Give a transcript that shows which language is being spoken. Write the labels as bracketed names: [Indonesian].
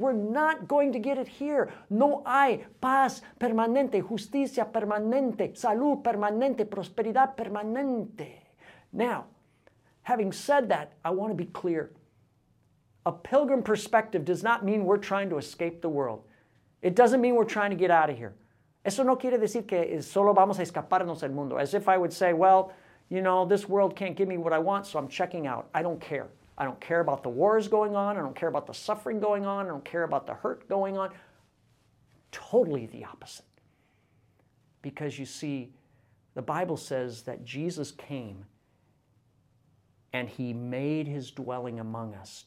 [English] We're not going to get it here. [Spanish] No hay paz permanente, justicia permanente, salud permanente, prosperidad permanente. [English] Now, having said that, I want to be clear. A pilgrim perspective does not mean we're trying to escape the world. It doesn't mean we're trying to get out of here. [Spanish] Eso no quiere decir que solo vamos a escaparnos del mundo. [English] As if I would say, well, you know, this world can't give me what I want, so I'm checking out. I don't care. I don't care about the wars going on. I don't care about the suffering going on. I don't care about the hurt going on. Totally the opposite. Because you see, the Bible says that Jesus came and he made his dwelling among us.